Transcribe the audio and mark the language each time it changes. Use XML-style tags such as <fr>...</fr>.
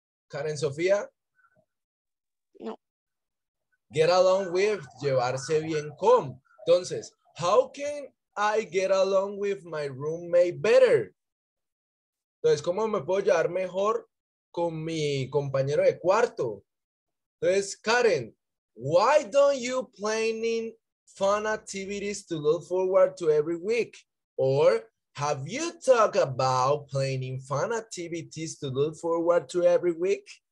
<es>Karen Sofía. No.</es> <en>Get along with,</en> <es>llevarse bien con. Entonces,</es> <en>how can I get along with my roommate better?</en> <es>Entonces, ¿cómo me puedo llevar mejor con mi compañero de cuarto? Entonces,</es> <en>Karen, why don't you planning fun activities to look forward to every week? Or have you talked about planning fun activities to look forward to every week?</en>